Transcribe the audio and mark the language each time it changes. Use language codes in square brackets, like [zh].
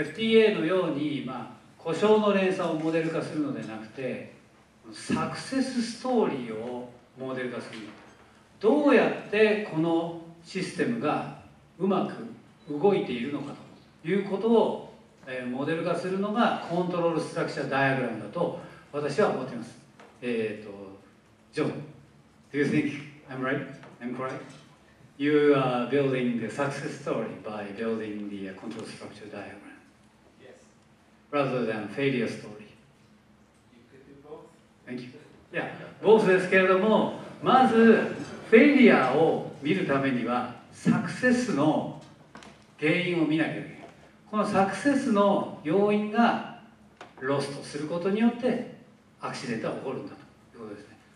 [ja] FTA のように、まあ故障の連鎖をモデル化するのではなくて、サクセスストーリーをモデル化する。どうやってこのシステムがうまく動いているのかということをモデル化するのがコントロールストラクチャーダイアグラムだと私は思っています。 [en] ジョン、Do you think I'm right? I'm correct? You are building the success story by building the control structure diagram. Yes. Rather than failure story. You could do both. Thank you. Yeah, both [ja] ですけれども、まずフェイリアを見るためにはサクセスの原因を見なきゃいけない。このサクセスの要因がロストすることによってアクシデントが起こるんだということですね。